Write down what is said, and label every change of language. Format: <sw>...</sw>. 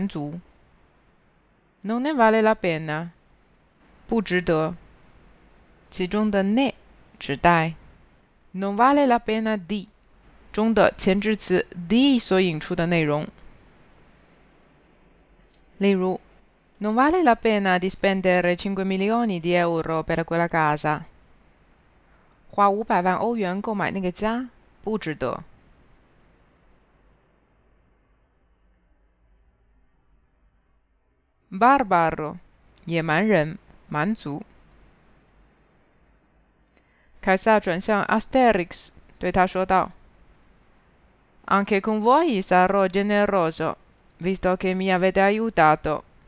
<zh>你马上出发去蒙古攻打蛮族。</zh> <it>Non ne vale la pena，</it> <zh>不值得。其中的 ne 指代。</zh> <it>Non vale la pena di</it> <zh>中的前置词 di 所引出的内容。例如，</zh> <it>Non vale la pena di spendere 5 milioni di euro per quella casa，</it> <zh>花500万欧元购买那个家，不值得。 Barbaro, 野蛮人,蛮族. Caesar 转向 Asterix, 对他说道,</zh> <it>Anche con voi sarò generoso, visto che mi avete aiutato.</it>